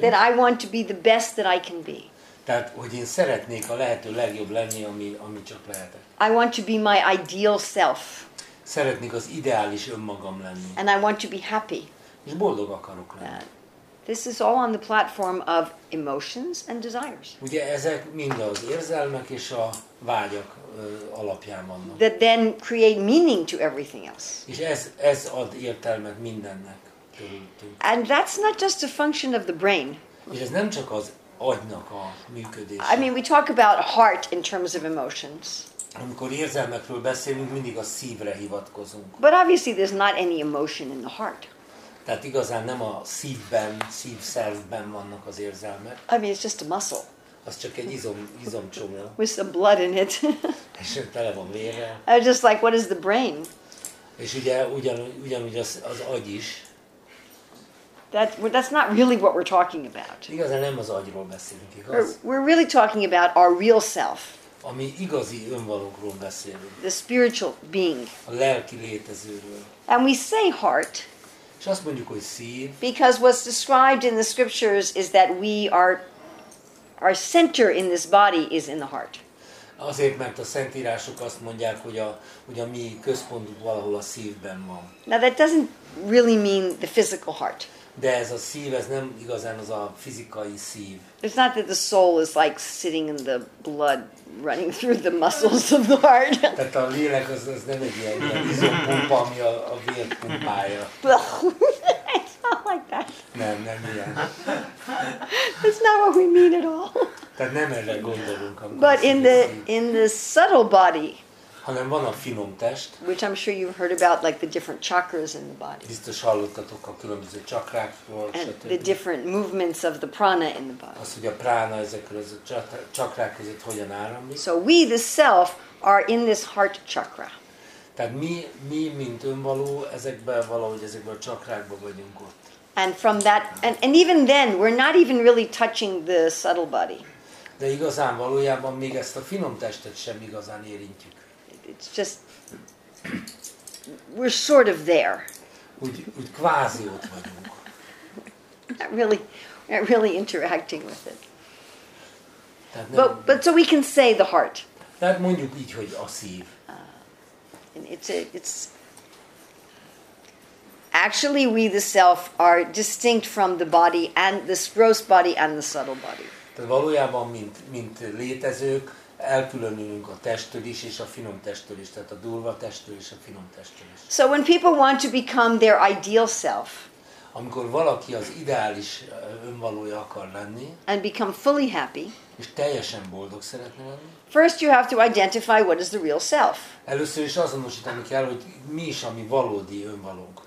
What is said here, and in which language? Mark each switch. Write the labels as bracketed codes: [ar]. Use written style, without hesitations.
[en] That I want to be the best that I can be. [hu] Tehát, hogy én szeretnék a lehető legjobb lenni, ami csak lehetek. [en] I want to be my ideal self. [hu] Szeretnék az ideális önmagam lenni. [en] And I want to be happy. [hu] És boldog akarok lenni. [en] This is all on the platform of emotions and desires. [hu] Ugye ezek mind az érzelmek és a vágyak alapján vannak. [en] That then create meaning to everything else. [hu] És ez ad értelmet mindennek. [en] And that's not just a function of the brain. [hu] És ez nem csak az agynak a működése. [en] I mean, we talk about heart in terms of emotions. [hu] Amikor érzelmekről beszélünk, mindig a szívre hivatkozunk. [en] But obviously there's not any emotion in the heart. [hu] Tehát igazán nem a szívben, szívszervben vannak az érzelmek. [en] I mean, it's just a muscle. [hu] Az csak egy izomcsomó. [en] With some blood in it. [hu] És tele van vérrel. [en] I was just like, what is the brain? [hu] És ugye ugyanúgy az agy is. [en] That's not really what we're talking about. [hu] Igazán nem az agyról beszélünk, igaz? [en] We're really talking about our real self. [hu] Ami igazi önvalókról beszélünk. [en] The spiritual being. [hu] A lelki létezőről. [en] And we say heart. [hu] És azt mondjuk, hogy szív. [en] Because what's described in the scriptures is that we are, our center in this body is in the heart. [hu] Azért, mert a szentírások azt mondják, hogy a mi központunk valahol a szívben van. [en] Now that doesn't really mean the physical heart. [hu] De ez a szív, ez nem igazán az a fizikai szív. [en] It's not that the soul is like sitting in the blood running through the muscles of the heart. [hu] Tehát a lélek az nem egy ilyen izompumpa, ami a vér pumpája. [en] It's not like that. [hu] Nem ilyen. [en] That's not what we mean at all. [hu] Tehát nem erre gondolunk. [en] But in the subtle body. [hu] Hanem van a finom test. [en] Which I'm sure you've heard about, like the different chakras in the body. [hu] Biztos hallottatok a különböző csakrákról, [en] and the different movements of the prana in the body. [hu] Az, hogy a prana ezekről a csakrák között hogyan áramlik. [en] So we, the self, are in this heart chakra. [hu] Tehát mi mint önvaló, ezekben a csakrákban vagyunk ott. [en] And from that, and even then, we're not even really touching the subtle body. [hu] De igazán valójában még ezt a finom testet sem igazán érintjük. [en] It's just, we're sort of there. [hu] Úgy kvázi ott vagyunk. [en] not really interacting with it. But so we can say the heart. [hu] Tehát mondjuk így, hogy a szív. [en] It's actually we, the self, are distinct from the body and this gross body and the subtle body. [hu] Tehát valójában, mint létezők, elkülönülünk a testtől is és a finom testtől is, tehát a durva testtől és a finom testtől is. [en] So when people want to become their ideal self, [hu] amikor valaki az ideális önvalója akar lenni, [en] and become fully happy, [hu] és teljesen boldog szeretne lenni, [en] first you have to identify what is the real self. [hu] Először is azonosítani kell, hogy mi is a mi valódi önvalónk.